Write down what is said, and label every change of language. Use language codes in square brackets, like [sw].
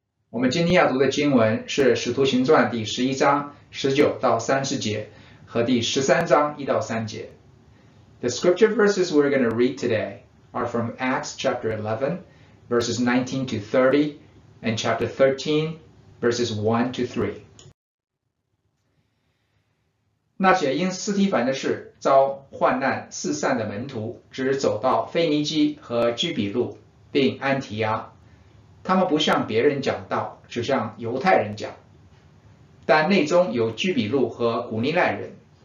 [zh] 我们今天要读的经文是《使徒行传》第十一章十九到三十节和第十三章一到三节。 [en] The scripture verses we're going to read today are from Acts chapter 11, verses 19 to 30, and chapter 13, verses 1 to 3. [zh] 那些因斯提凡的事遭患难四散的门徒，只走到腓尼基和居比路，并安提阿。他们不向别人讲道，只向犹太人讲，但内中有居比路和古尼奈人。